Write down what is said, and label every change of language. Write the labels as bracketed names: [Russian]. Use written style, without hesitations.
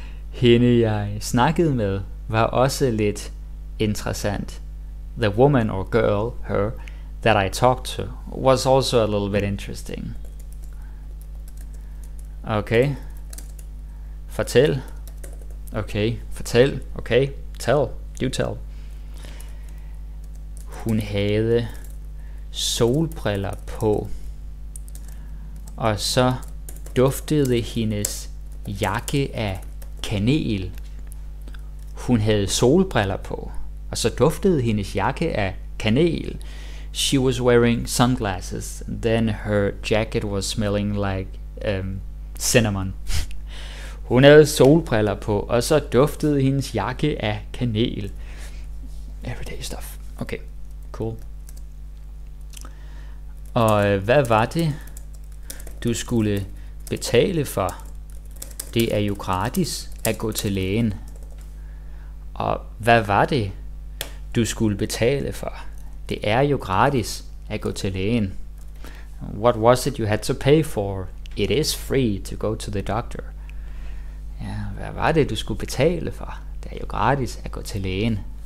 [Danish] Hende jeg snakkede med var også lidt interessant. [English] The woman or girl, her, that I talked to was also a little bit interesting. [Danish] Okay. Fortæl. Okay, fortæl. [English] Okay, tell. You tell. [Danish] Hun havde solbriller på. Og så duftede hendes jakke af kanel. Hun havde solbriller på, og så duftede hendes jakke af kanel. [English] She was wearing sunglasses, and then her jacket was smelling like cinnamon. [Danish] Hun havde solbriller på, og så duftede hendes jakke af kanel. [English] Everyday stuff. Okay, cool. [Danish] Og hvad var det, du skulle betale for? Det er jo gratis at gå til lægen. Og hvad var det, du skulle betale for? Det jo gratis at gå til lægen. [English] What was it you had to pay for? It is free to go to the doctor. [Danish] Ja, hvad var det, du skulle betale for? Det jo gratis at gå til lægen.